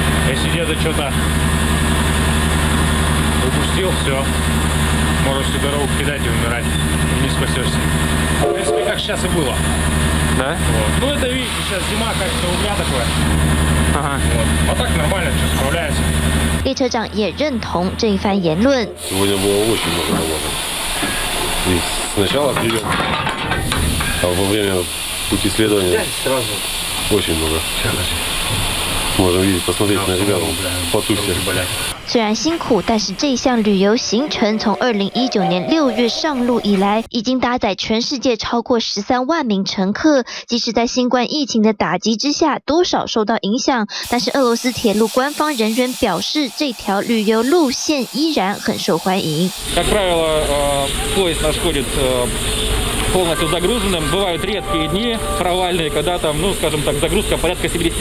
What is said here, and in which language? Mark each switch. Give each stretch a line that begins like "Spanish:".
Russian: Если где-то что-то упустил, все, можешь всю дорогу кидать и умирать, не спасешься. В принципе, как сейчас и было. Да? Вот. Ну, это видите, сейчас зима, как-то угля такое. Ага. Вот. А так нормально, что справляется.
Chinese: 列车长也认同这一番言论。
Russian: Сегодня было очень много работы. И сначала прием, а во время пути исследования очень много.
Chinese: 虽然辛苦，但是这项旅游行程从2019年6月上路以来，已经搭载全世界超过13万名乘客。即使在新冠疫情的打击之下，多少受到影响，但是俄罗斯铁路官方人员表示，这条旅游路线依然很受欢迎。
Russian: Как правило, поезд находит полностью загруженным. Бывают редкие дни провальные, когда там, ну, скажем так, загрузка порядка 75%.